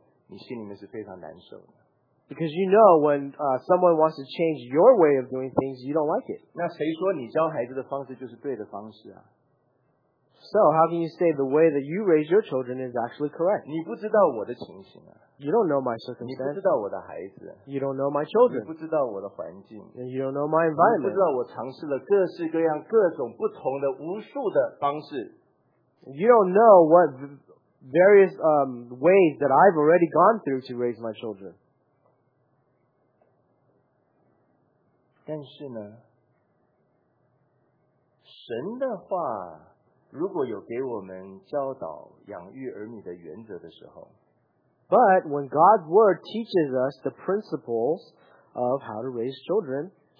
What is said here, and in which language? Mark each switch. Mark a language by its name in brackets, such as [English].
[English] Because you know when someone wants to change your way of doing things, you don't like it. [Chinese] 那谁说你教孩子的方式就是对的方式啊? [English] so, how can you say the way that you raise your children is actually correct? You don't know my circumstances. You don't know my children. And you don't know my environment. You don't know what various ways that I've already gone through to raise my children. [Chinese] 但是呢, 神的话, 如果有给我们教导养育儿女的原则的时候, [English] but when God's word teaches us the principles of how to raise children,